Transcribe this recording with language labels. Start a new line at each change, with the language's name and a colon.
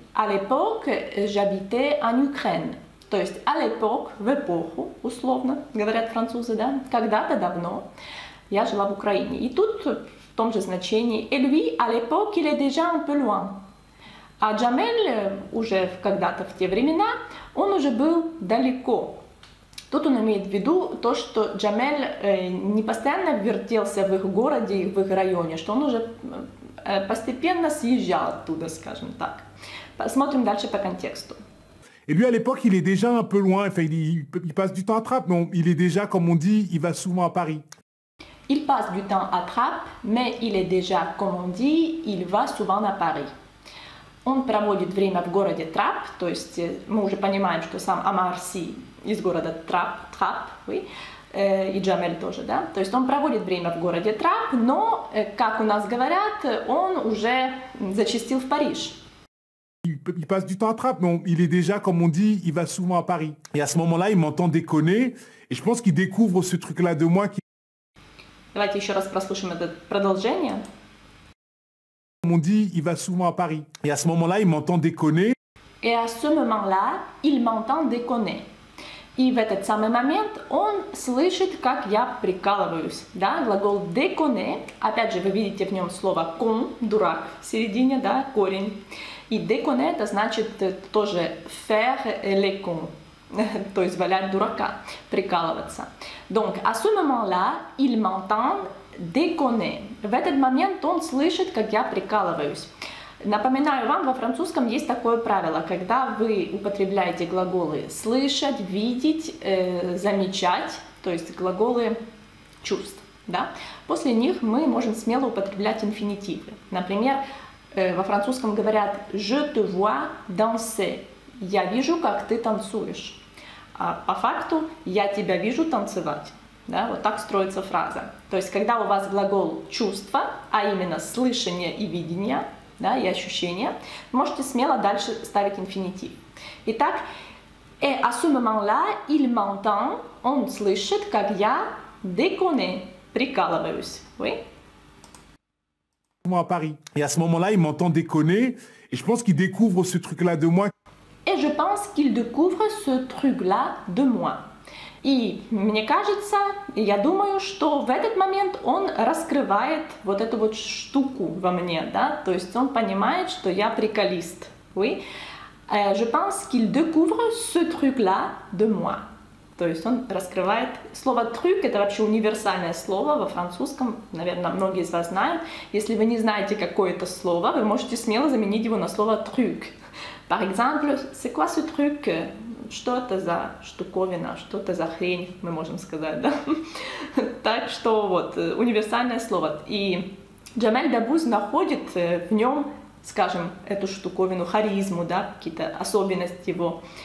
French: À l'époque, j'habitais en Ukraine.
Russian: То есть,
French: à l'époque,
Russian: в эпоху, условно, говорят французы, да? Когда-то давно я жила в Украине. И тут в том же значении.
French: Et lui, à l'époque, il est déjà un peu loin.
Russian: А Джамель уже когда-то в те времена, он уже был далеко. Тут он имеет в виду то, что Джамель не постоянно вертелся в их городе, в их районе, что он уже постепенно съезжал оттуда, скажем так. Посмотрим дальше по контексту.
French: Et lui, à l'époque, il est déjà un peu loin, enfin, il passe du temps à Trappes, mais il est déjà, comme on dit, il va souvent à Paris. Il passe du temps à Trappes, mais il est déjà, comme on dit, il va souvent à Paris.
Russian: Он проводит время в городе Трап, то есть мы уже понимаем, что сам Амар Си из города Трап, Трап, oui, и Джамель тоже, да? То есть он проводит время в городе Трап, но, как у нас говорят, он уже зачастил в Париж.
French: Il passe du temps à Trappes, mais il est déjà, comme on dit, il va souvent à Paris. Et à ce moment-là, il m'entend déconner, et je pense qu'il découvre ce truc-là de moi.
Russian: Давайте еще раз прослушаем это продолжение.
French: Comme on dit, il va souvent à Paris. Et à ce moment-là, il m'entend déconner. Et à ce moment-là, il m'entend déconner.
Russian: И в этот самый момент он слышит, как я прикалываюсь. Да, глагол déconner. Опять же, вы видите в нем слово con, дурак, в середине, да, корень. И déconner, это значит тоже
French: faire les cons.
Russian: То есть валять дурака, прикалываться.
French: Donc, à ce moment-là, il m'entend déconner.
Russian: В этот момент он слышит, как я прикалываюсь. Напоминаю вам, во французском есть такое правило, когда вы употребляете глаголы слышать, видеть, замечать, то есть глаголы чувств, да? После них мы можем смело употреблять инфинитивы. Например, во французском говорят
French: «Je te vois danser»
Russian: – «Я вижу, как ты танцуешь». А по факту «Я тебя вижу танцевать». Да, вот так строится фраза. То есть, когда у вас глагол чувства, а именно слышание и видение, да, и ощущение, можете смело дальше ставить инфинитив. Итак,
French: et à ce moment-là, il m'entend,
Russian: он слышит, как я
French: déconne,
Russian: прикалываюсь.
French: Oui? À Paris. Et à ce moment-là, il m'entend déconner, et je pense qu'il découvre ce truc-là de moi. Et je pense qu'il découvre ce truc-là de moi.
Russian: И мне кажется, я думаю, что в этот момент он раскрывает вот эту вот штуку во мне, да? То есть он понимает, что я приколист.
French: Oui. Je pense qu'il découvre ce truc-là de moi.
Russian: То есть он раскрывает... Слово «трюк» — это вообще универсальное слово во французском. Наверное, многие из вас знают. Если вы не знаете, какое это слово, вы можете смело заменить его на слово «трюк».
French: Par exemple, c'est quoi ce truc?
Russian: Что это за штуковина, что это за хрень, мы можем сказать, да? Так что вот, универсальное слово. И Джамель Дабуз находит в нем, скажем, эту штуковину, харизму, да, какие-то особенности его.